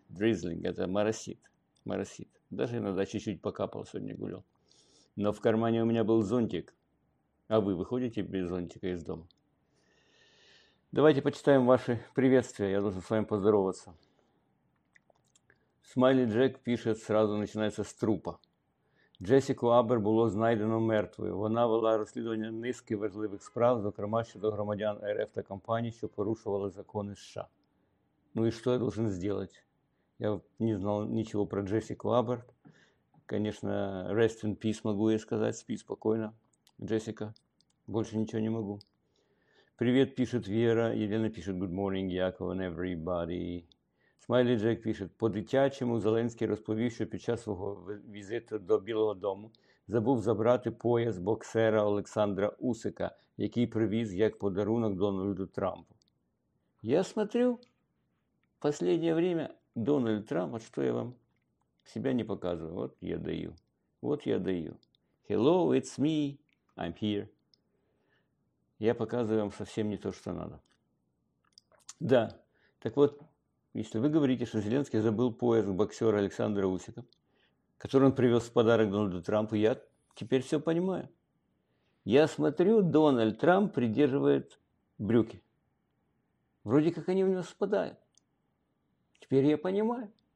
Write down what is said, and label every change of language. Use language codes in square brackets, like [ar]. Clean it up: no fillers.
[ru] Drizzling – это моросит. Моросит. Даже иногда чуть-чуть покапал, сегодня гулял. Но в кармане у меня был зонтик. А вы выходите без зонтика из дома? Давайте почитаем ваши приветствия. Я должен с вами поздороваться. Смайли Джек пишет, сразу начинается с трупа. [uk] Джессіку Абер було знайдено мертвою. Вона вела розслідування низки важливих справ, зокрема щодо громадян РФ та компаній, що порушували закони США. Ну і що я [ru] должен [uk] зробити? Я не знав нічого про Джессіку Абер. Звісно, [en] rest in peace [uk] можу я сказати. Спи спокійно, Джессіка. Більше нічого не можу. Привіт, пише Віра. Єлена пише [en] good morning, [uk] Яков [en] and everybody. [uk] Смайлі Джек пише, по-дитячому Зеленський розповів, що під час свого візиту до Білого Дому забув забрати пояс боксера Олександра Усика, який привіз як подарунок Дональду Трампу. [ru] Я смотрю, последнее время Дональд Трамп, [uk] от що я вам себе не показую. От я даю, от я даю. [en] Hello, it's me, I'm here. [uk] Я показую вам [ru] совсем не то, [uk] що треба. [ru] Да, так от. Если вы говорите, что Зеленский забыл пояс боксера Александра Усика, который он привез в подарок Дональду Трампу, я теперь все понимаю. Я смотрю, Дональд Трамп придерживает брюки. Вроде как они у него спадают. Теперь я понимаю.